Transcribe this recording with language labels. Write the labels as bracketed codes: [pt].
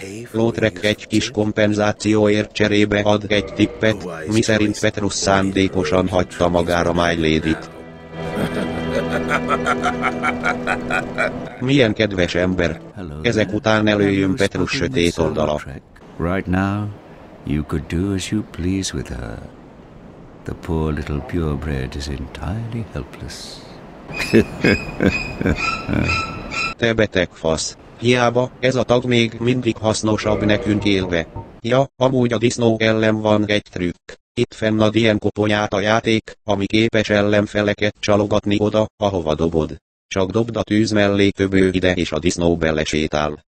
[hu] Lótrek egy kis kompenzációért cserébe ad egy tippet, miszerint Petrus szándékosan hagyta magára My Lady-t. Milyen kedves ember! Ezek után előjön Petrus sötét oldala. [en] Right now, you could do as you please with her. The poor little purebred is entirely helpless. [hu] Te beteg fasz! Hiába, ez a tag még mindig hasznosabb nekünk élve. Ja, amúgy a disznó ellen van egy trükk. Itt fenn ad ilyen koponyát a játék, ami képes ellenfeleket csalogatni oda, ahova dobod. Csak dobd a tűz mellé köbő ide és a disznó belesétál.